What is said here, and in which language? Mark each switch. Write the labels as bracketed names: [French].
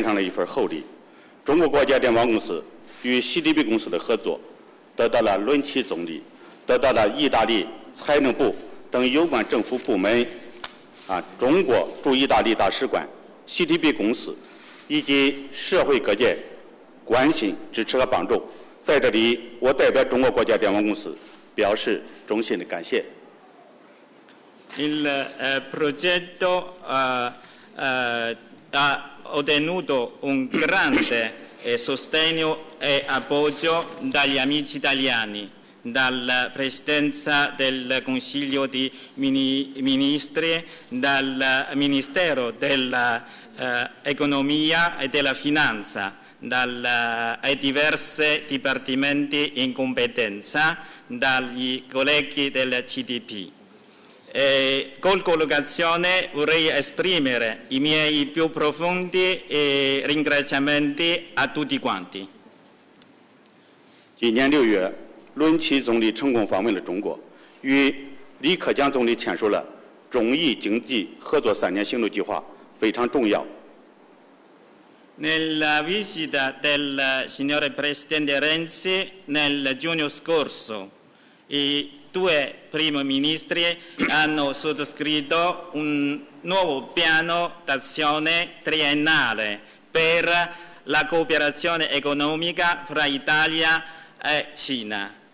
[Chinese] 中意两国建立全面战略伙伴关系10周年献上了一份厚礼。中国国家电网公司与 CDB 公司的合作得到了伦齐总理、得到了意大利财政部等有关政府部门、中国驻意大利大使馆 CDB 公司以及社会各界关心支持和帮助。在这里，我代表中国国家电网公司表示衷心的感谢。 [Italian] Il progetto ha ottenuto un grande sostegno e appoggio dagli amici italiani, dalla Presidenza del Consiglio dei Ministri, dal Ministero dell'Economia e della Finanza, ai diversi dipartimenti in competenza, dagli colleghi del CDP. E con collocazione vorrei esprimere i miei più profondi ringraziamenti a tutti quanti. [Chinese] 今年6月，伦齐总理成功访问了中国，与李克强总理签署了中意经济合作3年行动计划，非常重要。 [Italian] Nella visita del signore presidente Renzi nel giugno scorso, due primi ministri hanno sottoscritto un nuovo piano d'azione triennale per la cooperazione economica fra Italia e Cina.